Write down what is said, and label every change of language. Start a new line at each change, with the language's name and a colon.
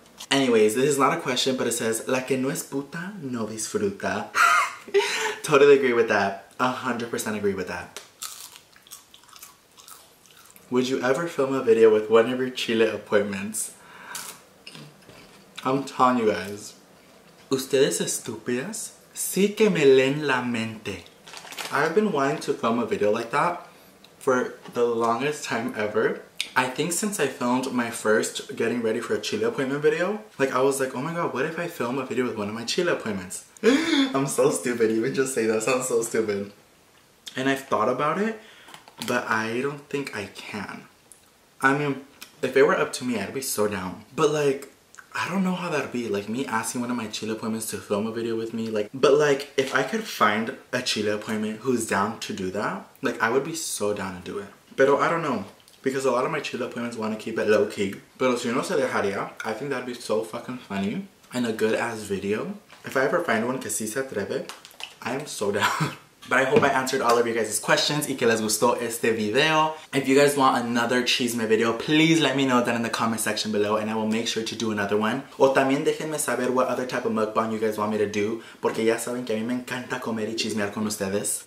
English: Anyways, this is not a question, but it says,
Spanish: la que no es puta, no disfruta.
English: Totally agree with that. 100% agree with that. Would you ever film a video with one of your chile appointments? I'm telling you guys.
Spanish: Ustedes estúpidas, sí que me leen la mente.
English: I've been wanting to film a video like that for the longest time ever. I think since I filmed my first getting ready for a chile appointment video, like, I was like, oh my god, what if I film a video with one of my chile appointments? I'm so stupid. Even just say that sounds so stupid. And I've thought about it, but I don't think I can. I mean, if it were up to me, I'd be so down. But, like, I don't know how that'd be. Like, me asking one of my chile appointments to film a video with me, like, but, like, if I could find a chile appointment who's down to do that, like, I would be so down to do it. Pero I don't know. Because a lot of my chile appointments want to keep it low-key.
Spanish: Pero si no se dejaría,
English: I think that'd be so fucking funny. And a good-ass video. If I ever find one
Spanish: que si se atreve,
English: I am so down. But I hope I answered all of you guys' questions
Spanish: y que les gustó este video.
English: If you guys want another chisme video, please let me know that in the comment section below and I will make sure to do another one.
Spanish: O también déjenme saber
English: what other type of mukbang you guys want me to do.
Spanish: Porque ya saben que a mí me encanta comer y chismear con ustedes.